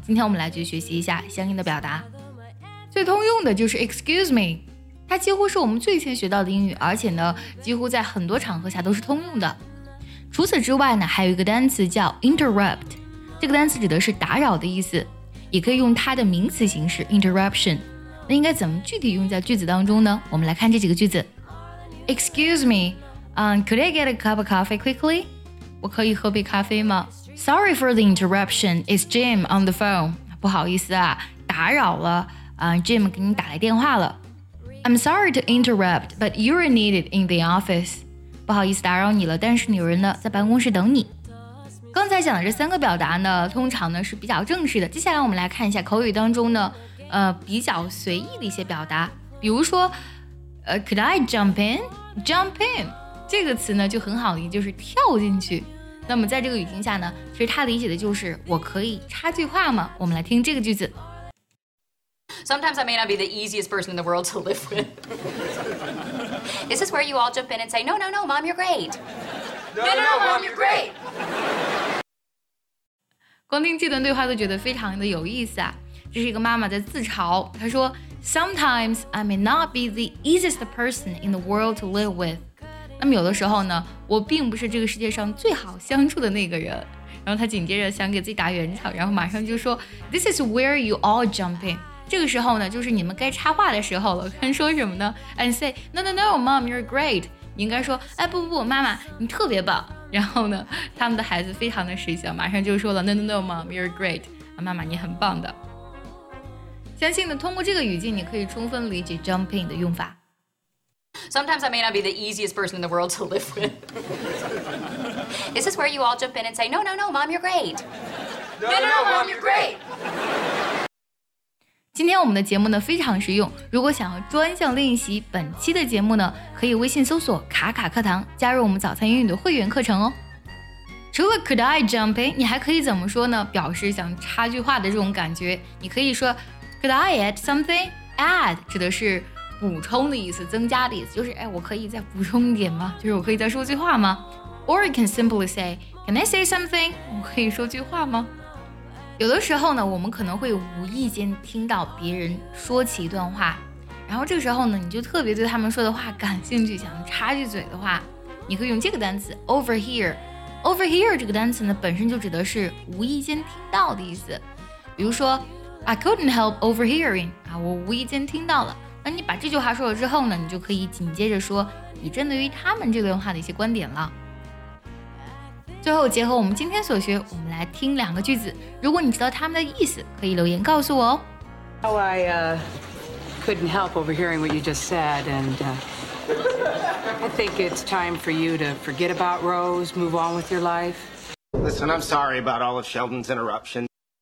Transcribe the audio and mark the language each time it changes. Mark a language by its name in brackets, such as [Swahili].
[Chinese] 今天我们来去学习一下相应的表达。最通用的就是 excuse me， 它几乎是我们最先学到的英语，而且呢几乎在很多场合下都是通用的。除此之外呢，还有一个单词叫 interrupt， 这个单词指的是打扰的意思，也可以用它的名词形式 interruption。那应该怎么具体用在句子当中呢？我们来看这几个句子。 [English] Excuse me, could I get a cup of coffee quickly? [Chinese] 我可以喝杯咖啡吗？ [English] Sorry for the interruption, it's Jim on the phone. [Chinese] 不好意思啊，打扰了，Jim 给你打来电话了。 [English] I'm sorry to interrupt, but you're needed in the office. [Chinese] 不好意思打扰你了，但是有人呢在办公室等你。刚才讲的这三个表达呢，通常呢是比较正式的。接下来我们来看一下口语当中呢比较随意的一些表达。 [English] 比如说 Could I jump in? [Chinese] Jump in 这个词呢就很好理解，就是跳进去。那么在这个语境下呢，其实它理解的就是我可以插句话吗？我们来听这个句子。 [English] Sometimes I may not be the easiest person in the world to live with. This is where you all jump in and say, no, no, no, mom, you're great. No, no, no, no mom, you're great. [Chinese] 光听这段对话都觉得非常的有意思啊。 [English] 这是一个妈妈在自嘲，她说 Sometimes I may not be the easiest person in the world to live with. [Chinese] 那么有的时候呢，我并不是这个世界上最好相处的那个人。然后她紧接着想给自己打圆场，然后马上就说 This is where you all jump in. 这个时候呢就是你们该插话的时候了。该说什么呢？ And say no no no mom you're great，你应该说哎不不不妈妈你特别棒。然后呢他们的孩子非常的识相，马上就说了 no no no mom you're great，妈妈你很棒的。相信呢通过这个语境你可以充分理解 jump in 的用法。 [English] Sometimes I may not be the easiest person in the world to live with. This is where you all jump in and say no no no mom you're great. No no no mom you're great. [Chinese] 今天我们的节目呢非常实用，如果想要专项练习本期的节目呢，可以微信搜索卡卡课堂，加入我们早餐英语的会员课程哦。除了 could I jump in，你还可以怎么说呢？表示想插句话的这种感觉，你可以说 could I add something。 add 指的是补充的意思，增加的意思，就是哎，我可以再补充一点吗？就是我可以再说句话吗？ [English] or you can simply say can I say something，我可以说句话吗？ [Chinese] 有的时候呢我们可能会无意间听到别人说起一段话，然后这个时候呢你就特别对他们说的话感兴趣，想插句嘴的话，你可以用这个单词 overhear。 overhear 这个单词呢本身就指的是无意间听到的意思，比如说 I couldn't help overhearing，啊，我无意间听到了。那你把这句话说了之后呢，你就可以紧接着说你针对于他们这段话的一些观点了。最后结合我们今天所学，我们来听两个句子，如果你知道他们的意思可以留言告诉我哦。 [English] Oh, I couldn't help overhearing what you just said, and I think it's time for you to forget about Rose, move on with your life. Listen, I'm sorry about all of Sheldon's interruptions.